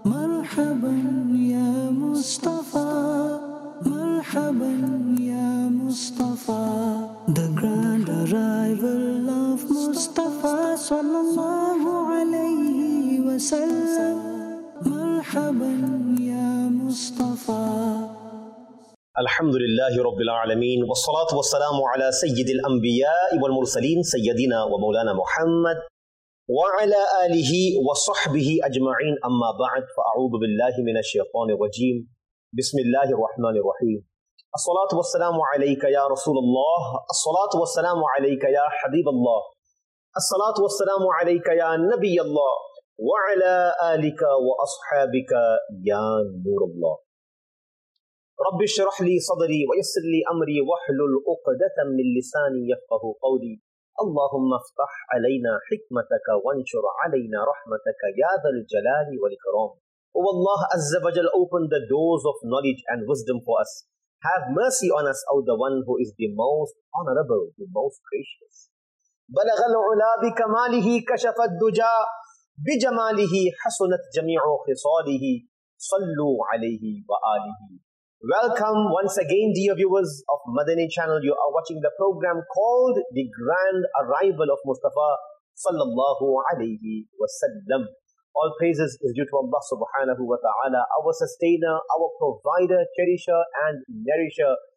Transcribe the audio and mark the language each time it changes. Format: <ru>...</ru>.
<ar>مرحبا يا مصطفى, مرحبا يا مصطفى,</ar> <en>the grand arrival of</en> <ar>مصطفى صلى الله عليه وسلم, مرحبا يا مصطفى. الحمد لله رب العالمين, والصلاة والسلام على سيد الأنبياء والمرسلين سيدنا ومولانا محمد وعلى آله وصحبه أجمعين. أما بعد, فأعوذ بالله من الشيطان الرجيم, بسم الله الرحمن الرحيم. الصلاة والسلام عليك يا رسول الله, الصلاة والسلام عليك يا حبيب الله, الصلاة والسلام عليك يا نبي الله, وعلى آلك وأصحابك يا نور الله. رب اشرح لي صدري ويسر لي أمري واحلل عقدة من لساني يفقه قولي. اللهم افتح علينا حكمتك وانشر علينا رحمتك يا ذا الجلال والإكرام. والله عز وجل</ar> <en>open the doors of knowledge and wisdom for us. Have mercy on us, O the one who is the most honorable, the most gracious.</en> <ar>بلغ العلا بكماله كشف الدجا بجماله حسنت جميع خصاله صلوا عليه وآله.</ar> <en>Welcome once again, dear viewers of Madani channel. You are watching the program called The Grand Arrival of Mustafa Sallallahu Alaihi Wasallam. All praises is due to Allah Subhanahu Wa Ta'ala, our sustainer, our provider, cherisher and nourisher.</en>